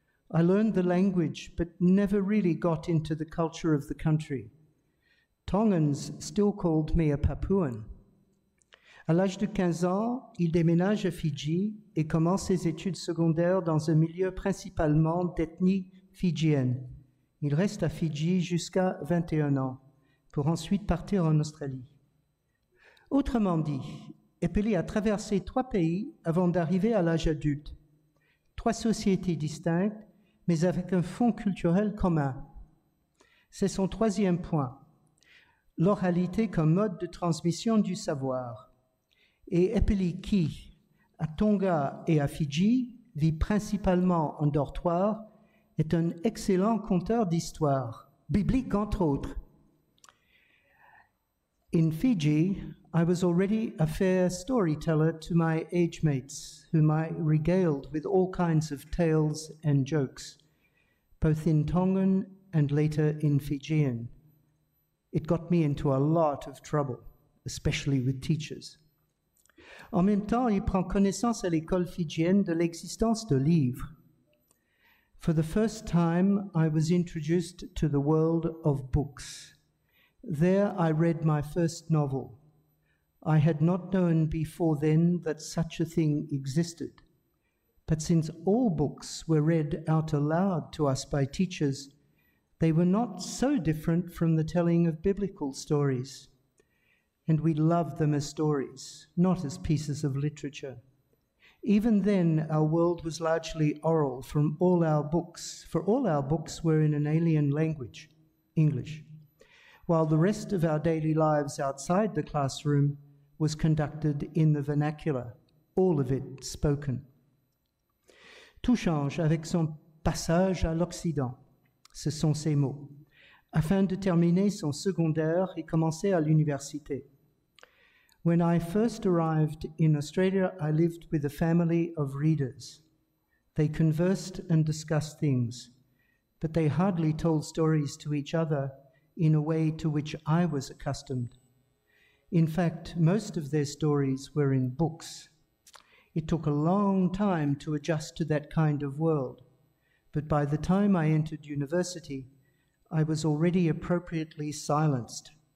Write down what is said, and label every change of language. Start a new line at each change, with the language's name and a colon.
English: I learned the language, but never really got into the culture of the country. Tongans still called me a Papuan.
French: À l'âge de 15 ans, il déménage à Fidji et commence ses études secondaires dans un milieu principalement d'ethnie fidjienne. Il reste à Fidji jusqu'à 21 ans, pour ensuite partir en Australie. Autrement dit, Epeli a traversé 3 pays avant d'arriver à l'âge adulte. 3 sociétés distinctes, mais avec un fond culturel commun. C'est son 3e point, l'oralité comme mode de transmission du savoir. Et Epeli qui, à Tonga et à Fidji, vit principalement en dortoir, est un excellent conteur d'histoires, bibliques entre autres.
English: In Fiji, I was already a fair storyteller to my age mates, whom I regaled with all kinds of tales and jokes, both in Tongan and later in Fijian. It got me into a lot of trouble, especially with teachers.
French: En même temps, il prend connaissance à l'école fijienne de l'existence de livres.
English: For the first time, I was introduced to the world of books. There I read my first novel. I had not known before then that such a thing existed. But since all books were read out aloud to us by teachers, they were not so different from the telling of biblical stories. And we loved them as stories, not as pieces of literature. Even then, our world was largely oral from all our books, for all our books were in an alien language, English, while the rest of our daily lives outside the classroom was conducted in the vernacular, all of it spoken.
French: Tout change avec son passage à l'Occident, ce sont ses mots, afin de terminer son secondaire et commencer à l'université.
English: When I first arrived in Australia, I lived with a family of readers. They conversed and discussed things, but they hardly told stories to each other in a way to which I was accustomed. In fact, most of their stories were in books. It took a long time to adjust to that kind of world, but by the time I entered university, I was already appropriately silenced.